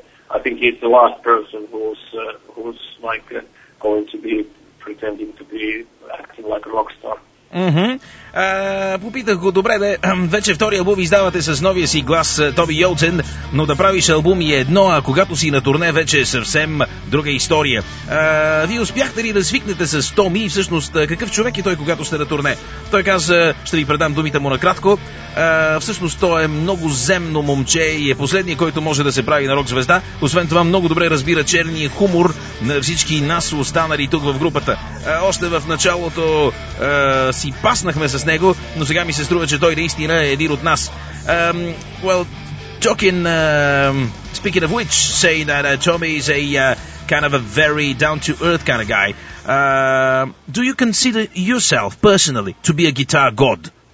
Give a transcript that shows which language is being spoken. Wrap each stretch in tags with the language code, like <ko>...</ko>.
<en>I think he's the last person who's going to be pretending to be acting like a rock star. Mm-hmm.</en> <bg>Попитах го, добре, де, вече втори албум издавате с новия си глас Тоби Йолтен, но да правиш албум е едно, а когато си на турне, вече е съвсем друга история. Вие успяхте ли да свикнете с Томи? Всъщност, какъв човек е той, когато сте на турне? Той каза, ще ви предам думите му накратко. Всъщност, той е много земно момче и е последният, който може да се прави на рок звезда. Освен това, много добре разбира черния хумор на всички нас, останали тук в групата. Още в началото си паснахме с него, но сега ми се струва, че той наистина е един от нас.</bg> <en>Speaking of which, say that Tommy is a kind of a very down-to-earth kind of guy. Do you consider yourself personally to be a guitar god?</en>